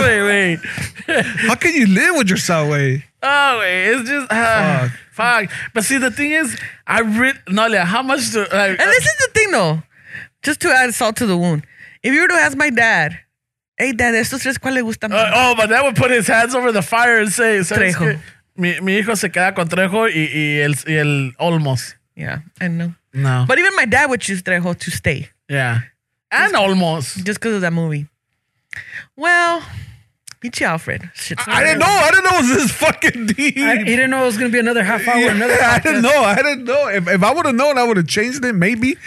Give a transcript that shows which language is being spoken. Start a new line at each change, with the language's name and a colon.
English: wait. How can you live with yourself, wait? Oh, wait. It's just, fuck. But see, the thing is, this is the thing, though. Just to add salt to the wound. If you were to ask my dad, hey, dad,
Spanish: estos tres, ¿cuál le gusta más?
English: Oh, my dad would put his hands over the fire and say, Trejo.
Spanish: Mi hijo se queda con Trejo y el Olmos.
English: Yeah, I know. No. But even my dad would choose Trejo to stay. Yeah. And Olmos. Just because of that movie. Well, Pichi Alfred. I didn't know. I didn't know it was this fucking deep. He didn't know it was going to be another half hour. Yeah, another podcast. I didn't know. If I would have known, I would have changed it, maybe.